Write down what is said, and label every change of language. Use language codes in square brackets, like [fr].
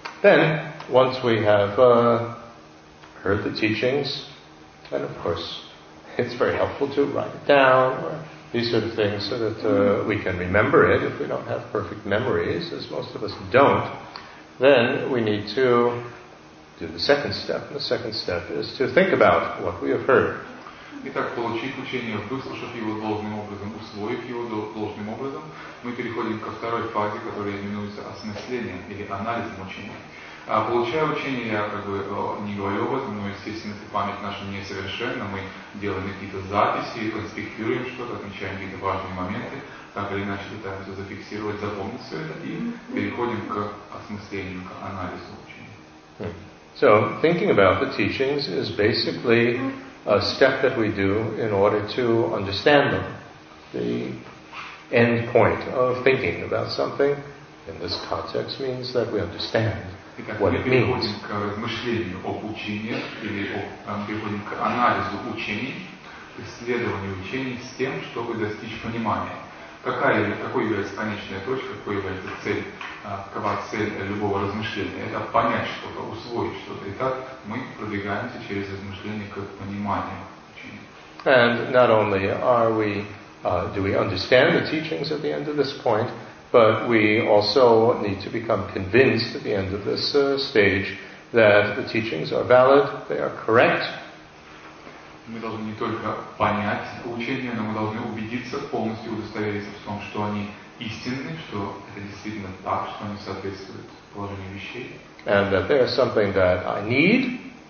[en] Then, once we have heard the teachings, then of course, it's very helpful to write it down. These sort of things, so that we can remember it. If we don't have perfect memories, as most of us don't, then we need to do the second step. And the second step is to think about what we have heard. [ru] Итак, получив учение, выслушав его должным образом, усвоив его должным образом, мы переходим ко второй фазе, которая именуется осмыслением или анализом учения. А получая учение, я как бы не говорю об этом, но, естественно, эта память наша несовершенна, мы делаем какие-то записи, конспектируем что-то, отмечаем какие-то важные моменты, так или иначе пытаемся зафиксировать, запомнить все это, и переходим к осмыслению, к анализу учения. [en] So, thinking about the teachings is basically a step that we do in order to understand them. The end point of thinking about something in this context means that we understand. [ru] Итак, [en] what [ru] мы переходим к размышлению об учении, или переходим к анализу учений, к исследованию учений с тем, чтобы достичь понимания. Какой является конечная точка, какой является какова цель любого размышления? Это понять что-то, усвоить что-то. Итак, мы продвигаемся через размышление к пониманию учения. [en] And not only are we, do we understand the teachings at the end of this point, but we also need to become convinced at the end of this stage that the teachings are valid, they are correct. [ru] Мы должны не только понять учение, но мы должны убедиться, полностью удостовериться в том, что они истинны, что это действительно так, что они соответствуют положению вещей. [en] And that they are something that I need.